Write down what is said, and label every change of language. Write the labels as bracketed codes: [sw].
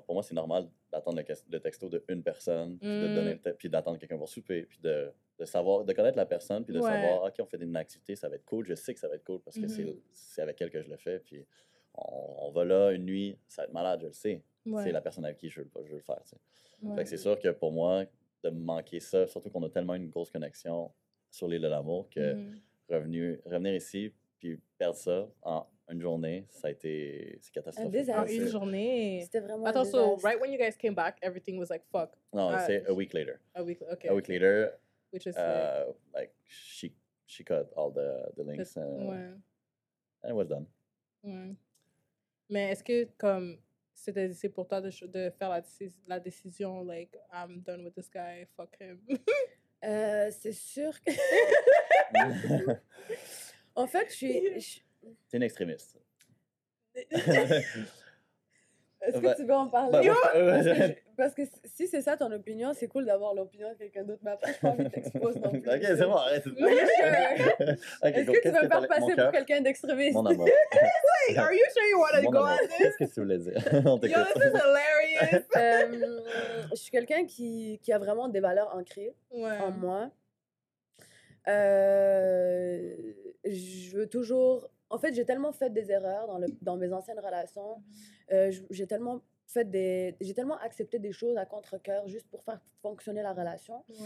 [fr] Pour moi, c'est normal d'attendre le texto d'une personne, puis d'attendre quelqu'un pour souper, puis de savoir, de connaître la personne, puis de savoir, OK, on fait une activité, ça va être cool, je sais que ça va être cool, parce que c'est avec elle que je le fais, puis on va là une nuit, ça va être malade, je le sais. C'est la personne avec qui je veux le faire, tu sais. Fait que c'est sûr que pour moi, de manquer ça, surtout qu'on a tellement une grosse connexion sur l'île de l'amour, que revenir ici, puis perdre ça en une journée, ça a été, c'est catastrophique. Un désastre. En une journée. C'était vraiment un désastre. Attends, [en] so, right when you guys came back, everything was like, fuck. [fr] Non, c'est [en] a week later. A week later. A week later. Which is like she cut all the links and it was done. [fr] Mais est-ce que comme c'est pour toi de faire la décision like [en] I'm done with this guy, fuck him? [fr] C'est sûr que en fait je suis t'es une extrémiste. Est-ce que tu veux en parler? Parce que si c'est ça ton opinion, c'est cool d'avoir l'opinion de quelqu'un d'autre, mais après, je n'ai pas envie de t'exposer non plus. Ok, c'est bon, arrête. Okay, est-ce que tu veux pas passer pour quelqu'un d'extrémiste? Mon amour. [en] Like, are you sure you want to go on this? [fr] Qu'est-ce que tu voulais dire? On t'écoute. [en] Yo, this is hilarious. [fr] Je suis quelqu'un qui a vraiment des valeurs ancrées en moi. Je veux toujours... En fait, j'ai tellement fait des erreurs dans mes anciennes relations. J'ai tellement accepté des choses à contre-cœur juste pour faire fonctionner la relation.